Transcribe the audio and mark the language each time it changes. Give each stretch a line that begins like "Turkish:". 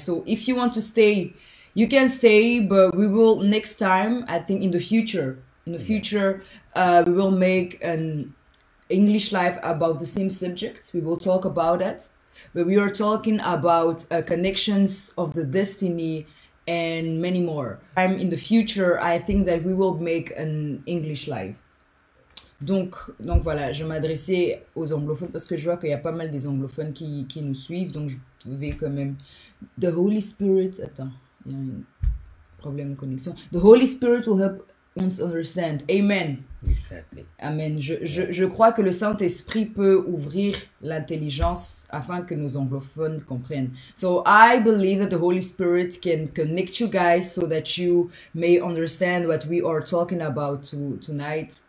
English: So, if you want to stay, you can stay, but we will next time, I think in the future, we will make an English life about the same subject. We will talk about that, but we are talking about connections of the destiny and many more. I'm in the future, I think that we will make an English live.
French: Donc voilà, je m'adressais aux anglophones parce que je vois qu'il y a pas mal des anglophones qui nous suivent, donc je devais quand même.
English: The Holy Spirit,
French: attends, il y a un problème de connexion.
English: The Holy Spirit will help us understand. Amen. Exactly. Amen. Je Yeah.
French: crois que le Saint-Esprit peut ouvrir l'intelligence afin que nos anglophones comprennent.
English: So I believe that the Holy Spirit can connect you guys so that you may understand what we are talking about tonight.